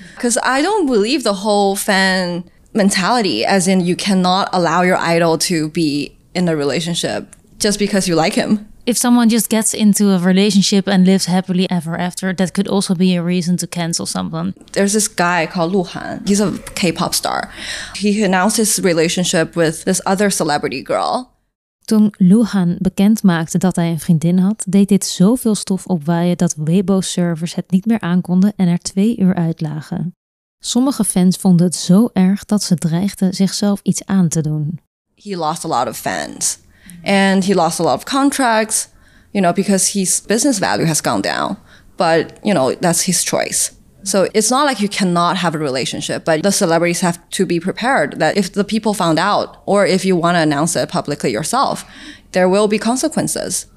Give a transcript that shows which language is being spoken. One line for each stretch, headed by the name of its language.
English: Because I don't believe the whole fan mentality, as in you cannot allow your idol to be in a relationship just because you like him. If someone just gets into a relationship and lives happily ever after, that could also be a reason to cancel someone. There's this guy called Lu Han. He's a K-pop star. He announced his relationship with this other celebrity girl.
Dutch: Toen Lu Han bekend maakte dat hij een vriendin had, deed dit zoveel stof opwaaien dat Weibo-servers het niet meer aankonden en er 2 uur uit lagen. Sommige fans vonden het zo erg dat ze dreigden zichzelf iets aan te doen.
English: He lost a lot of fans. And he lost a lot of contracts, you know, because his business value has gone down. But, you know, that's his choice. So it's not like you cannot have a relationship, but the celebrities have to be prepared that if the people found out, or if you want to announce it publicly yourself, there will be consequences.